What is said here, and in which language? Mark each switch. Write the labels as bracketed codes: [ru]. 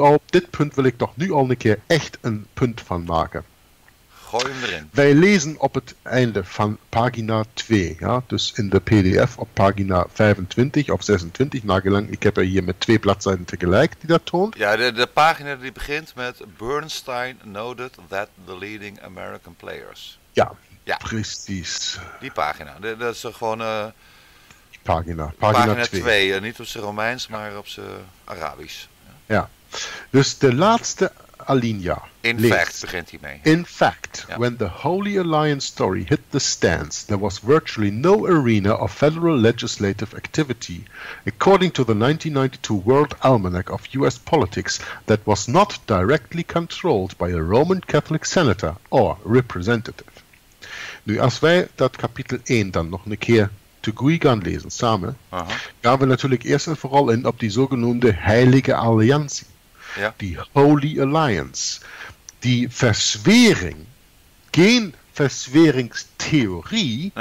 [nl] Dit punt wil ik toch nu al een keer echt een punt van maken. Gooi hem erin. Wij lezen op het einde van pagina 2, ja, dus in de PDF op pagina 25 of 26, nagelang, ik heb er hier met twee bladzijden tegelijk die dat toont. Ja, de pagina die begint met Bernstein noted that the leading American players. Ja, precies. Die pagina, dat is gewoon pagina 2. Niet op zijn Romeins, maar op zijn Arabisch. Ja, dus de laatste Alinea. In leest. Fact, begint hij mee. [en] In fact, ja. When the Holy Alliance story hit the stands, there was virtually no arena of federal legislative activity. According to the 1992 World Almanac of U.S. Politics, that was not directly controlled by a Roman Catholic senator or representative. [nl] Nu, als wij dat kapitel 1 dan nog een keer te Gui gaan lezen, samen, gaan we natuurlijk eerst en vooral in op die zogenoemde Heilige Alliantie. Ja. Die Holy Alliance. Die verswering, geen verzweringstheorie,